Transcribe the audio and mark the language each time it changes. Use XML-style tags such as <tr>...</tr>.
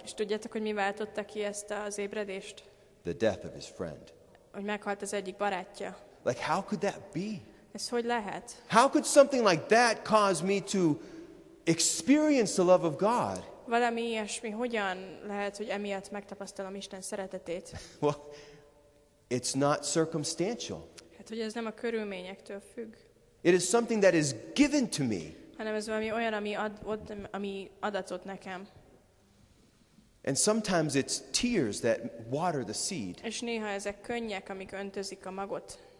<hu>És tudjátok, hogy mi váltotta ki ezt az ébredést?</hu> <en>The death of his friend.</en> <hu>Hogy meghalt az egyik barátja.</hu> <en>Like how could that be?</en> <hu>Ez hogy lehet?</hu> <en>How could something like that cause me to experience the love of God?</en> <hu>Valami ilyesmi, hogyan lehet, hogy emiatt megtapasztalom Isten szeretetét?</hu> <en>Well, it's not circumstantial.</en> <hu>Hát, hogy ez nem a körülményektől függ.</hu> <en>It is something that is given to me.</en> <hu>Hanem ez valami olyan, ami adatott nekem.</hu> <en>And sometimes it's tears that water the seed.</en> <hu>És néha ezek könnyek, amik öntözik a magot.</hu>